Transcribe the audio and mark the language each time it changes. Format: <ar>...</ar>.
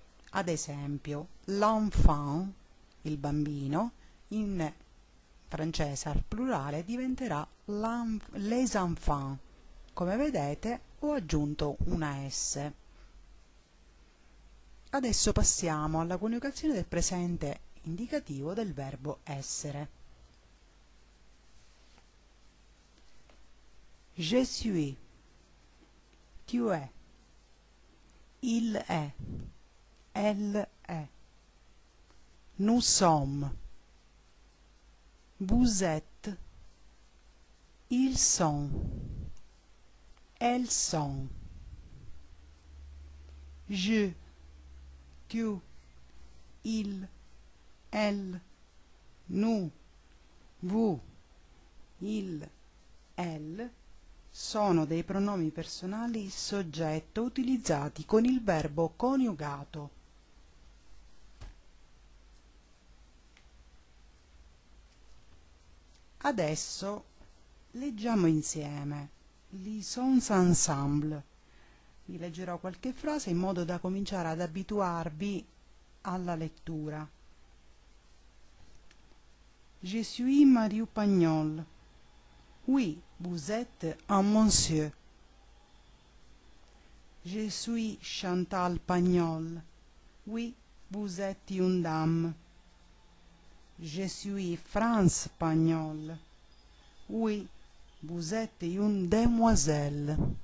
<it>Ad esempio, l'enfant, il bambino, in francese al plurale diventerà les enfants. Come vedete, ho aggiunto una S. Adesso passiamo alla coniugazione del presente indicativo del verbo essere.</it> <fr>Je suis, tu es, il è, elle è, nous sommes. Vous êtes, ils sont, elles sont.</fr> <it>Je, tu, il, elle, nous, vous, il, elle sono dei pronomi personali soggetto utilizzati con il verbo coniugato. Adesso leggiamo insieme,</it> <fr>lisons ensemble.</fr> <it>Vi leggerò qualche frase in modo da cominciare ad abituarvi alla lettura.</it> <fr>Je suis Marie Pagnol. Oui, vous êtes un monsieur. Je suis Chantal Pagnol. Oui, vous êtes une dame. Je suis France Pagnol. Oui, vous êtes une demoiselle.</fr>